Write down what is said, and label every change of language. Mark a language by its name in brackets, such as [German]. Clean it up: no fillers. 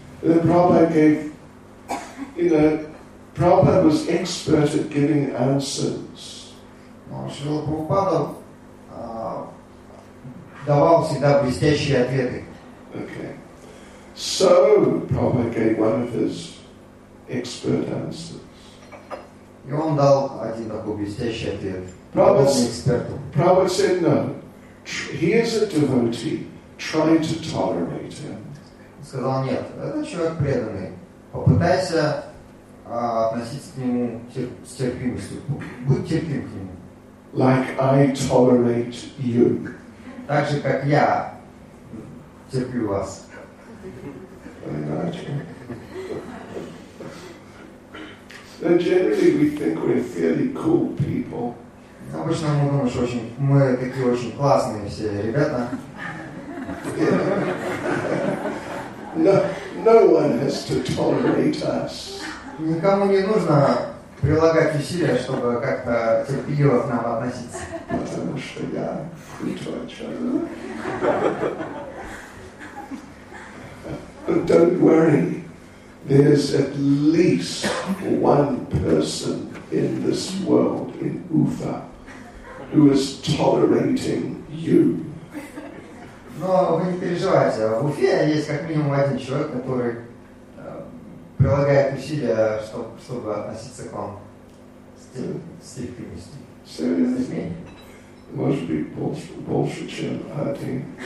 [English] Then Prabhupada gave, you know, Prabhupada was expert at giving answers. [Russian] Но Шрила Прабхупада давал всегда блестящие ответы. [English] Okay. So Prabhupada gave one of his expert answers. [Russian] И он дал один такой блестящий ответ. [English] Prabhupada said, no, he is a devotee, try to tolerate him. [Russian] Сказал, нет, это человек преданный, попытайся относиться к нему с терпимостью, будь терпим к нему. [English] Like I tolerate you. [Russian] Так же, как я терплю вас. [English] And generally we think we're fairly cool people. [Russian] Обычно мы думаем, что мы такие очень классные все ребята. [English] No one has to tolerate us. [Russian] Никому не нужно прилагать усилия, чтобы как-то терпеливо к нам относиться. Потому что я хуйчача. [English] But don't worry, there's at least one person in this world, in Ufa, who is tolerating you. [Russian] Но вы не переживайте, в Уфе есть как минимум один человек, который прилагает усилия, чтобы относиться к вам с терпимостью. Серьезно? Может быть, больше, чем один.